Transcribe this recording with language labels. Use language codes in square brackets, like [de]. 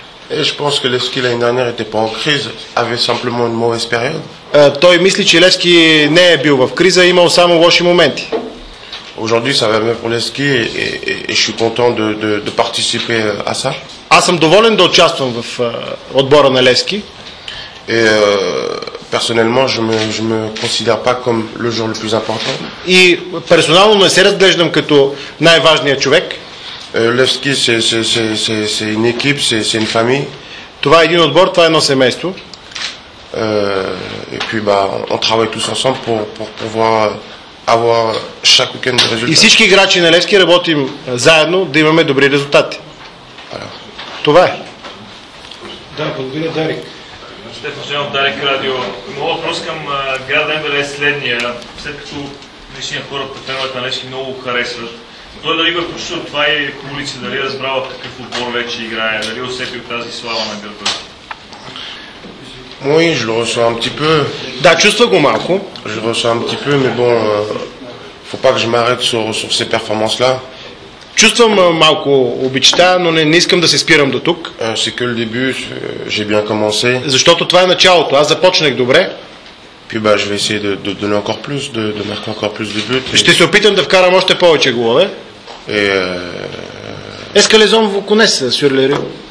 [fr] Je pense que Levski l'année dernière n'était pas en crise, avait simplement une mauvaise période. [bg] Той мисли, че Левски не е бил в криза, имал само лоши моменти. [fr] Aujourd'hui, ça va bien pour Levski et je suis content de participer à ça. [bg] Аз съм доволен да участвам в отбора на Левски. [fr] Et personnellement, je me considère pas comme le joueur le plus important. [bg] И персонално не се разглеждам като най-важният човек. [fr] Левски c'est une équipe, c'est une famille. [bg] Това е един отбор, това е едно семейство. [fr] Et puis on travaille tous ensemble pour pouvoir avoir chaque week-end des résultats. [bg] И всички играчи на Левски работим заедно да имаме добри резултати. Това е. Да, благодаря, Дарик. Стефан Шенов, Дарик Радио. Моят въпрос към град Ембеле е следния. След като лични хората, феновете на Левски много харесват, той дали бе почувал това и улица, дали е разбрал какъв отбор вече играе, дали е усетил тази слава на града? [fr] Oui, je le ressens un petit peu. [bg] Да, чувства го малко. [fr] Je le ressens un petit peu, mais bon, faut pas que je m'arrête sur ces performances-là. [bg] Чувствам малко обичта, но не искам да се спирам до тук. [fr] C'est que le début, j'ai bien commencé. [bg] Защото това е началото, аз започнах добре. [fr] Puis je vais essayer de donner encore plus, de marquer encore plus de buts. [bg] Ще се опитам да вкарам още повече голове. [fr] Est-ce que les hommes vous connaissent sur les rues?